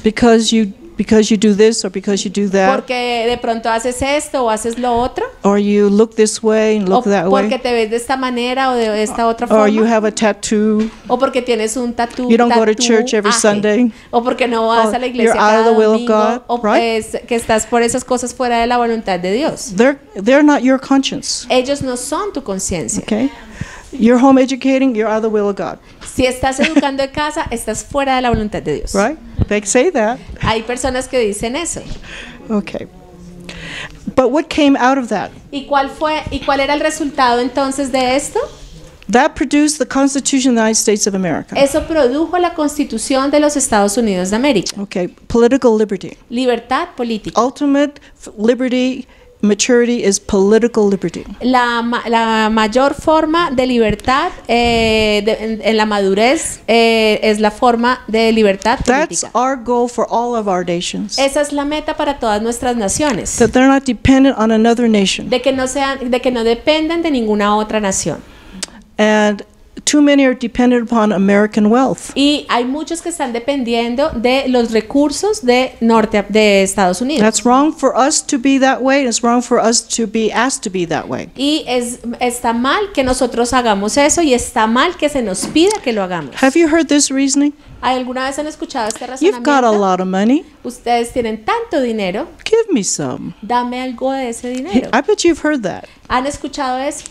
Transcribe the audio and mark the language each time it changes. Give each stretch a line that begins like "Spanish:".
English: Because you do this or because you do that.
Spanish: Porque de pronto haces esto o haces lo otro.
English: Or you look this way and look that way.
Spanish: Porque te ves de esta manera o de esta otra forma.
English: Or you have a tattoo.
Spanish: O porque tienes un tatu.
English: You don't go to church every Sunday.
Spanish: O porque no vas a la iglesia cada domingo.
English: You're out of the will of God, right?
Spanish: Que estás por esas cosas fuera de la voluntad de Dios.
English: They're not your conscience.
Spanish: Ellos no son tu conciencia.
English: Okay. You're home educating, you're out of the will of God.
Spanish: Si estás educando en casa, estás fuera de la voluntad de Dios.
English: Right? They say that.
Spanish: Hay personas que dicen eso.
English: Okay. But what came out of that?
Spanish: ¿Y cuál era el resultado entonces de esto?
English: That produced the Constitution of the United States of America.
Spanish: Eso produjo la Constitución de los Estados Unidos de América.
English: Okay, political liberty.
Spanish: Libertad política.
English: Ultimate liberty, maturity is political liberty.
Spanish: La mayor forma de libertad en la madurez es la forma de libertad política.
English: That's our goal for all of our nations.
Spanish: Esa es la meta para todas nuestras naciones.
English: That they're not dependent on another nation.
Spanish: De que no dependan de ninguna otra nación.
English: And too many are dependent upon American wealth.
Spanish: Y hay muchos que están dependiendo de los recursos de Estados Unidos.
English: That's wrong for us to be that way. It's wrong for us to be asked to be that way.
Spanish: Y está mal que nosotros hagamos eso y está mal que se nos pida que lo hagamos.
English: Have you heard this reasoning?
Spanish: ¿Alguna vez han escuchado este razonamiento?
English: You've got a lot of money.
Spanish: Ustedes tienen tanto dinero.
English: Give me some.
Spanish: Dame algo de ese dinero.
English: I bet you've heard that.
Spanish: ¿Han escuchado eso?